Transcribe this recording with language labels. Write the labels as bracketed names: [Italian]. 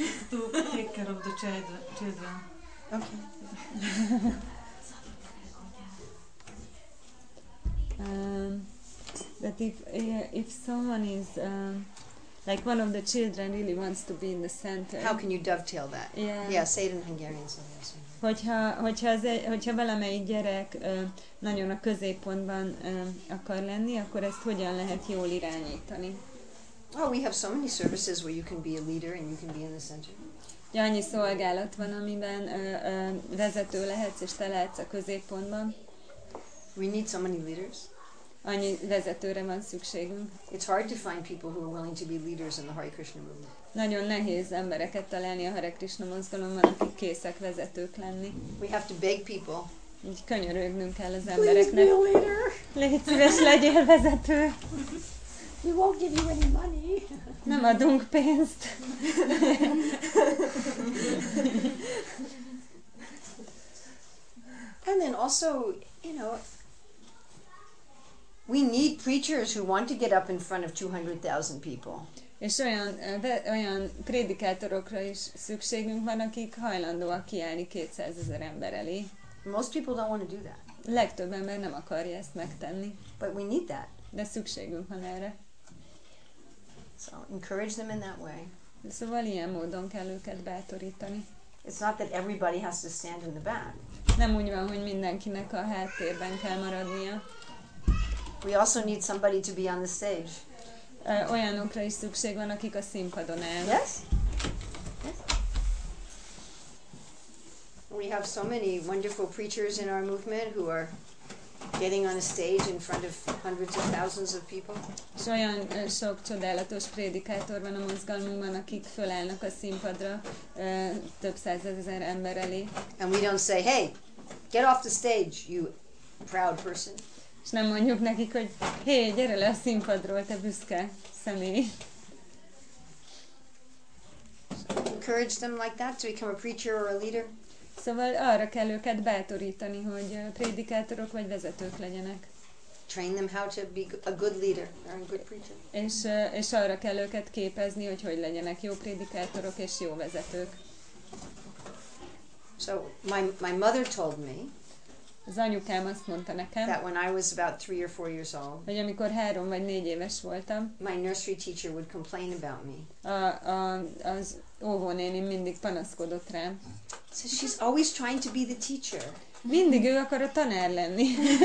[English] To take care of the children. Okay. That if someone is like one of the children really wants to be in the center. How can you dovetail that? Yeah, say it in Hungarian. So yes. [Hungarian] Hogyha valamelyik gyerek nagyon a középpontban akar lenni, akkor ezt hogyan lehet jól irányítani? [English] Well, we have so many services where you can be a leader and you can be in the center. [Hungarian] Annyi szolgálat van, amiben vezető lehetsz, és te lehetsz a középpontban. [English] We need so many leaders. [Hungarian] Annyi vezetőre van szükségünk. [English] It's hard to find people who are willing to be leaders in the Hare Krishna movement. [Hungarian] Nagyon nehéz embereket találni a Hare Krishna mozgalomban, akik készek vezetők lenni. [English] We have to beg people. [Hungarian] Így könyörögnünk kell az embereknek. [English] Please be a leader. [Hungarian] Légy szíves, legyél vezető. [English] We won't give you any money. [Hungarian] Nem adunk pénzt. [English] And then also, you know, we need preachers who want to get up in front of 200,000 people. [Hungarian] És olyan prédikátorokra is szükségünk van, akik hajlandóak kiállni 200,000 ember elé. [English] Most people don't want to do that. [Hungarian] Legtöbb ember nem akarja ezt megtenni. [English] But we need that. [Hungarian] De szükségünk van erre. [English] So encourage them in that way. [Hungarian] Szóval ilyen módon kell őket bátorítani. [English] It's not that everybody has to stand in the back. [Hungarian] Nem úgy van, hogy mindenkinek a háttérben kell maradnia. [English] We also need somebody to be on the stage. [Hungarian] Olyanokra is szükség van, akik a színpadon állnak. [English] Yes? Yes? We have so many wonderful preachers in our movement who are getting on a stage in front of hundreds of thousands of people. [Hungarian] És olyan sok csodálatos prédikátor van a mozgalmunkban, akik fölállnak a színpadra több százezer ember elé. [English] And we don't say, hey, get off the stage, you proud person. [Hungarian] És nem mondjuk nekik, hogy hé, gyere le a színpadról, te büszke személy. [English] Encourage them like that to become a preacher or a leader. [Hungarian] Szóval arra kell őket bátorítani, hogy prédikátorok vagy vezetők legyenek. [English] Train them how to be a good leader or a good preacher. [Hungarian] És arra kell őket képezni, hogy legyenek jó prédikátorok és jó vezetők. [English] So my mother told me. [Hungarian] Az anyukám azt mondta nekem, [English] that when I was about 3 or 4 years old, [Hungarian] hogy amikor 3 vagy 4 éves voltam, [English] my nursery teacher would complain about me. [Hungarian] Az óvónéném mindig panaszkodott rám. [English] So she's always trying to be the teacher. [Hungarian] Mindig ő akar a tanár lenni.